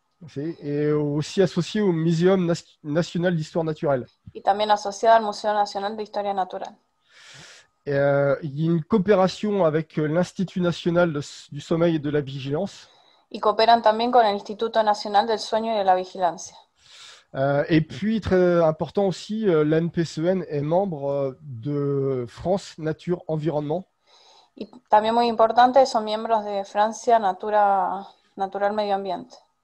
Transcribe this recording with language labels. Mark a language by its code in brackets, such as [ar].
[es] Sí, y aussi asociado al Museo Nacional de Historia Natural. Y también asociado al Museo Nacional de Historia Natural. Y una cooperación con el Instituto Nacional del Sommeil y de la Vigilancia. Y cooperan también con el Instituto Nacional del Sueño y de la Vigilancia. [fr] Et puis, très important aussi, l'ANPCEN est membre de France Nature Environnement. [es] Y también muy importante, son miembros de Francia Natura, Natural Medio Ambiente.